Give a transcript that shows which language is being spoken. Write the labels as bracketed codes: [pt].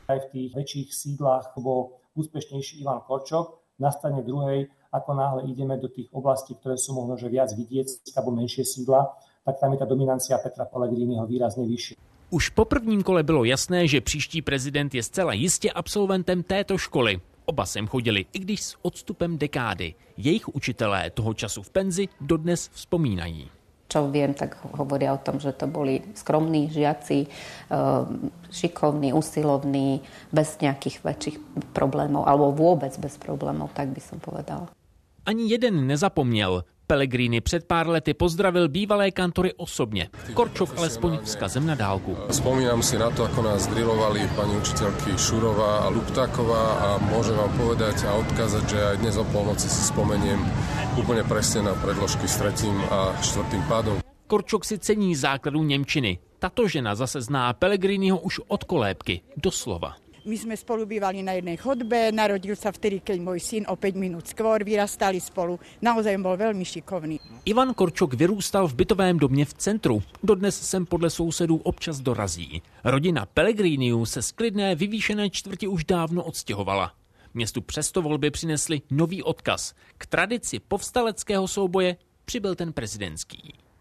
[sk] Aj v těch větších sídlách bol úspěšnější Ivan Korčok, na straně druhej, ako náhle ideme do tých oblastí, ktoré sú možno že viac vidiecké alebo menšie sídla, tak tam je ta dominancia Petra Pellegriniho výrazne vyšší. [cs] Už po prvním kole bylo jasné, že příští prezident je zcela jistě absolventem této školy. Oba sem chodili, i když s odstupem dekády. Jejich učitelé toho času v penzi dodnes vzpomínají. [sk] Čo viem, tak hovoria o tom, že to boli skromní žiaci, šikovní, usilovní, bez nejakých väčších problémov, alebo vôbec bez problémov, tak by som povedala. [cs] Ani jeden nezapomněl. Pellegrini před pár lety pozdravil bývalé kantory osobně. Korčok alespoň vzkazem na dálku. [sk] Vzpomínám si na to, ako nás drilovali pani učiteľky Šurová a Luptáková a môžem vám povedať a odkázať, že aj dnes o polnoci si spomeniem úplne presne na predložky s tretím a štvrtým pádom. [cs] Korčok si cení základu němčiny. Tato žena zase zná Pellegriniho už od kolébky, doslova. [sk] My sme spolu bývali na jednej chodbe, narodil sa vtedy, keď môj syn o 5 minút skôr, vyrastali spolu. Naozaj bol veľmi šikovný. [cs] Ivan Korčok vyrústal v bytovém domě v centru. Dodnes sem podle sousedů občas dorazí. Rodina Pellegriniu se z klidné vyvýšené čtvrti už dávno odstěhovala. Městu přesto volby přinesli nový odkaz. K tradici povstaleckého souboje přibyl ten prezidentský.